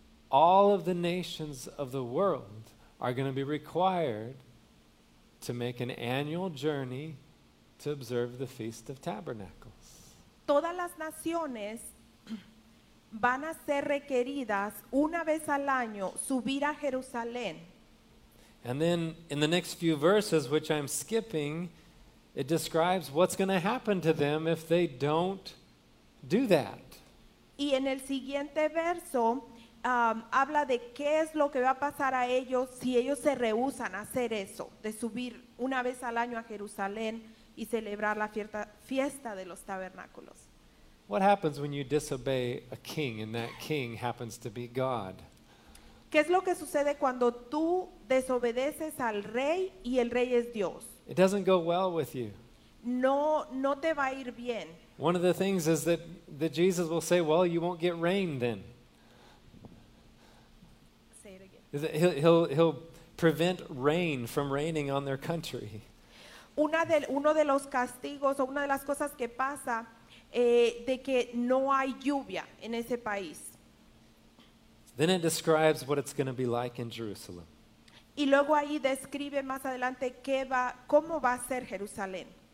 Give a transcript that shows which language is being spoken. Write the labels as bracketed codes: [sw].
[en] all of the nations of the world are going to be required to make an annual journey to observe the Feast of Tabernacles. [es] Todas las naciones van a ser requeridas una vez al año subir a Jerusalén. [en] And then in the next few verses, which I'm skipping, it describes what's going to happen to them if they don't do that. [es] Y en el siguiente verso habla de qué es lo que va a pasar a ellos si ellos se rehúsan a hacer eso, de subir una vez al año a Jerusalén y celebrar la fiesta de los tabernáculos. [en] What happens when you disobey a king and that king happens to be God? [es] ¿Qué es lo que sucede cuando tú desobedeces al rey y el rey es Dios? [en] It doesn't go well with you. [es] No te va a ir bien. [en] One of the things is that Jesus will say, well, you won't get rain then. Say it again. He'll prevent rain from raining on their country. [es] Uno de los castigos o una de las cosas que pasa de que no hay lluvia en ese país. [en] Then it describes what it's going to be like in Jerusalem. [es] Y luego ahí describe más adelante cómo va a ser Jerusalén.